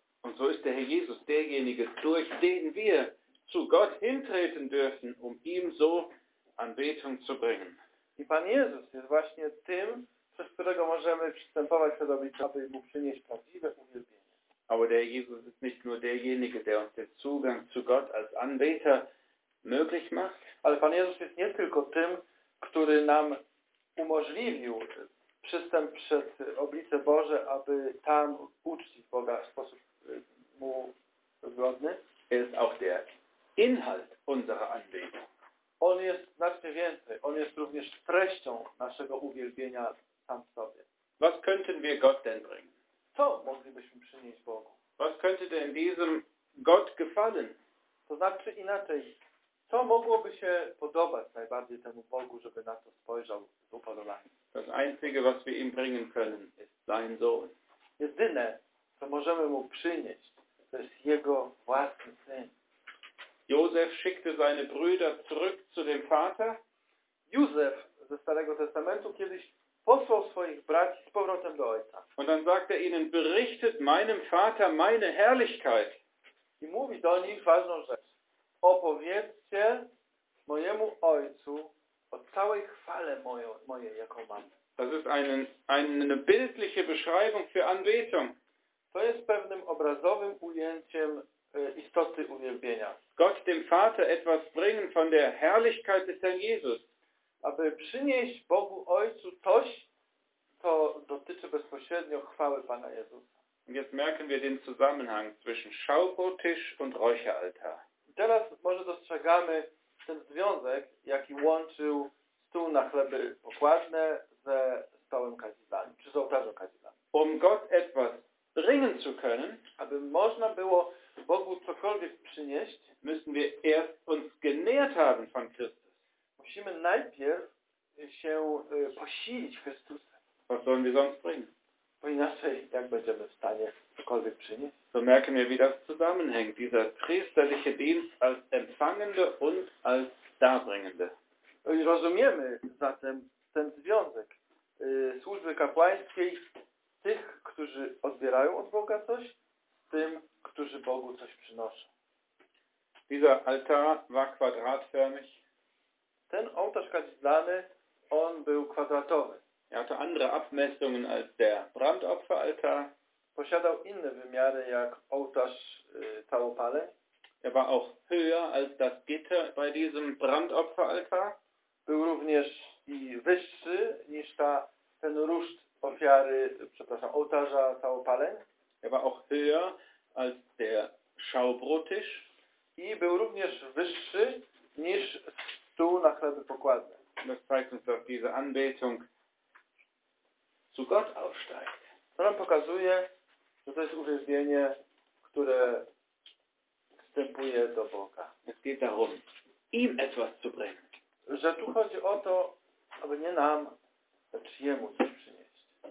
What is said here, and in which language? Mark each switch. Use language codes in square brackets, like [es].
[de] Und so ist der Herr Jesus derjenige, durch den wir zu Gott hintreten dürfen, um ihm so Anbetung zu bringen. [pl] I Pan Jezus jest właśnie tym, przez którego możemy przystępować przed oblicze, aby mu przynieść prawdziwe uwielbienie. [de] Aber der Jesus ist nicht nur derjenige, der uns den Zugang zu Gott als Anbeter möglich macht. [pl] Ale Pan Jezus jest nie tylko tym, który nam umożliwił przystęp przed oblicze Boże, aby tam uczcić Boga w sposób mu wygodny. [de] Er ist auch der Inhalt unserer Anbetung. [pl] On jest znacznie więcej. On jest również treścią naszego uwielbienia sam w sobie. [de] Was könnten wir Gott denn bringen? [pl] Co moglibyśmy przynieść Bogu? [de] Was könnte denn diesem Gott gefallen? [pl] To znaczy inaczej. Co mogłoby się podobać najbardziej temu Bogu, żeby na to spojrzał z upodobaniem? [de] Das einzige, was wir ihm bringen können, ist sein Sohn. [pl] Jedyne, co możemy mu przynieść, to jest jego własny syn. [de] Józef schickte seine Brüder zurück zu dem Vater. [pl] Józef ze Starego Testamentu kiedyś posłał swoich braci z powrotem do ojca. [de] Und dann sagt er ihnen, berichtet meinem Vater meine Herrlichkeit. [pl] I mówi do nich ważną rzecz. Opowiedzcie mojemu ojcu o całej chwale mojej, jaką mam. [de] Das ist eine bildliche Beschreibung für Anbetung. [pl] To jest pewnym obrazowym ujęciem istoty uwielbienia. [de] Gott dem Vater etwas bringen von der Herrlichkeit des Herrn Jesus. [pl] Aby przynieść Bogu Ojcu coś, co dotyczy bezpośrednio chwały Pana Jezusa. [de] Jetzt merken wir den Zusammenhang zwischen Schaubrottisch und Räucheraltar. [pl] Teraz może dostrzegamy ten związek, jaki łączył stół na chleby pokładne ze stołem kazidlanym, czy z ołtarzem kazidlanym. [de] Um Gott etwas bringen zu können, [pl] aby można było Bogu cokolwiek przynieść, [de] müssen wir erst uns genährt haben von Christus. [pl] Musimy najpierw się posilić Chrystusem. [de] Was sollen wir sonst bringen? [pl] Bo inaczej, jak będziemy w stanie cokolwiek przynieść? [de] So merken wir, wie das zusammenhängt, dieser priesterliche Dienst als Empfangende und als Darbringende. [pl] I rozumiemy zatem ten związek służby kapłańskiej tych, którzy odbierają od Boga coś, tym, którzy Bogu coś przynoszą. [de] Dieser Altar war quadratförmig. [pl] Ten ołtarz kadzidlany, on był kwadratowy. [de] Er hatte andere Abmessungen als der Brandopferaltar. [pl] Posiadał inne wymiary jak ołtarz całopaleń. [de] Er war auch höher als das Gitter bei diesem Brandopferaltar. [pl] Był również i wyższy niż ten ruszt ofiary, przepraszam, ołtarza całopaleń. [de] Er war auch höher als der Schaubrottisch. [pl] I był również wyższy niż stół na chleby pokładne. [de] Das zeigt uns, dass diese Anbetung zu Gott aufsteigt. [pl] To nam pokazuje, że to jest uwielbienie, które wstępuje do Boga. [de] Es geht darum, ihm etwas zu bringen. [pl] Że tu chodzi o to, aby nie nam, lecz jemu coś przynieść.